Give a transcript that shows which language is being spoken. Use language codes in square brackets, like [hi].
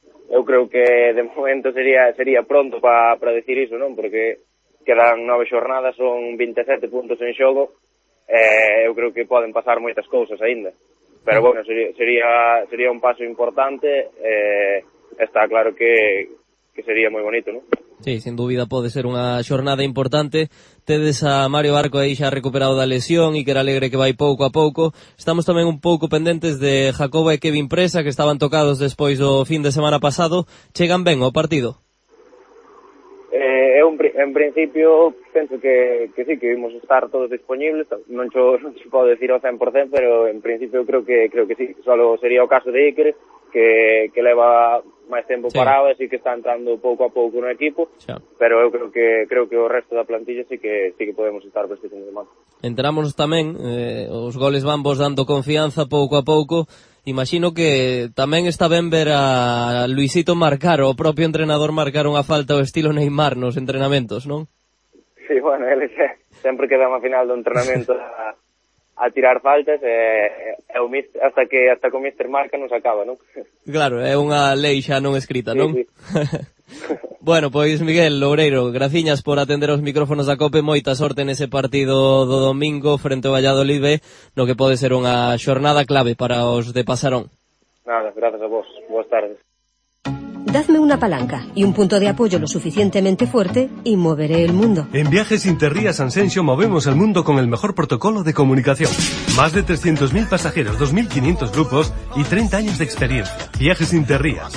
[gl] Eu creo que de momento sería pronto para decir iso, non? Porque quedan 9 jornadas, son 27 puntos en xogo, eu creo que poden pasar moitas cousas ainda. [es] Pero bueno, sería un paso importante. Está claro que sería muy bonito, ¿no? [gl] Sí, sin dúbida pode ser unha xornada importante. Tedes a Mario Barco aí xa recuperado da lesión e que era alegre que vai pouco a pouco. Estamos tamén un pouco pendentes de Jacobo e Kevin Presa, que estaban tocados despois do fin de semana pasado. Chegan ben ao partido? En principio, penso que sí, que vimos estar todos disponibles. Non se pode decir ao 100%, pero en principio creo que sí. Solo sería o caso de Iker, que leva máis tempo sí. parado, así que está entrando pouco a pouco no equipo, xa. Pero eu creo que o resto da plantilla sí que podemos estar para este fin de semana. Entrámonos tamén, os goles van vos dando confianza pouco a pouco. Imagino que tamén está ben ver a Luisito marcar, o propio entrenador marcar unha falta ao estilo Neymar nos entrenamentos, non? Sí, bueno, ele sempre quedan a final do entrenamento a tirar faltas, hasta que o Mister marca non se acaba, non? Claro, é unha lei xa non escrita, sí, non? Sí. Bueno, pois Miguel Loureiro, graciñas por atender os micrófonos da COPE, moita sorte nese partido do domingo frente ao Valladolid, no que pode ser unha xornada clave para os de Pasarón. Nada, grazas a vos, boas tardes. [es] Dadme una palanca y un punto de apoyo lo suficientemente fuerte y moveré el mundo. En Viajes Interrías Ascensio movemos el mundo con el mejor protocolo de comunicación. Más de 300.000 pasajeros, 2.500 grupos y 30 años de experiencia. Viajes Interrías.